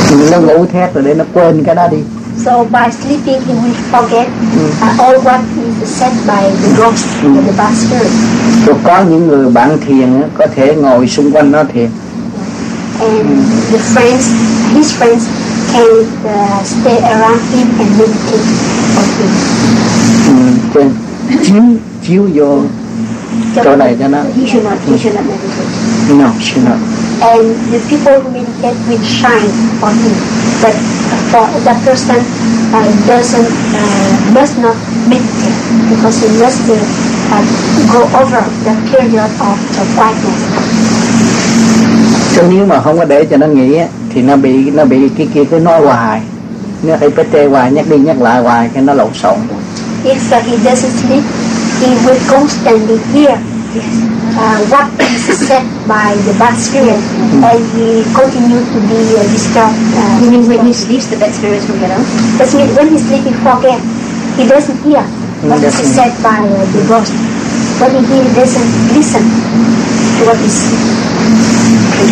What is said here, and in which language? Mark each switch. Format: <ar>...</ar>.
<vi>nó ngủ thét rồi để nó quên cái đó đi.</vi> <en>So by sleeping he will forget all what is said by the ghost and the bad spirit.</en> <vi>Rồi có những người bạn thiền có thể ngồi xung quanh nó thiền.</vi> <en>And the friends, his friends can stay around him and meditate for him.</en> <vi>Quên chiếu vô chỗ này cho nó.</vi> <en>He should not meditate. No, should not. And the people who meditate will shine for him. But for that person does not meditate because he must go over the period of the quietness.</en> <vi>Chứ nếu mà không có để cho nó nghỉ á thì nó bị cái kia cứ nói hoài, nó phải bế tê hoài, nhắc đi nhắc lại hoài cái nó lộn xộn.</vi> <en>If he doesn't sleep, he will constantly hear what is said by the bad spirit, and he continue to be disturbed. You mean when he sleeps, the bad spirit will get up? That means when he sleeps, he forget. He doesn't hear what is said by the ghost. When he doesn't listen to what is said.</en>